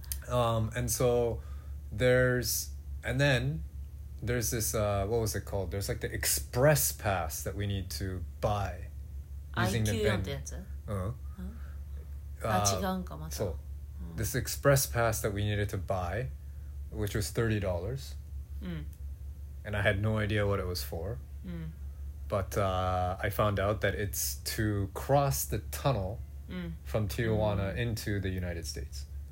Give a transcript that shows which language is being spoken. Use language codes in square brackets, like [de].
[en] And so there's, and then there's this, what was it called? There's like the express pass that we need to buy. Using the VIN. [ja] IQ4 ってやつ? うん。あ、違うんか、また。そう。 [en] This express pass that we needed to buy, which was $30. Mm. And I had no idea what it was for. Mm. But I found out that it's to cross the tunnel from Tijuana into the United States.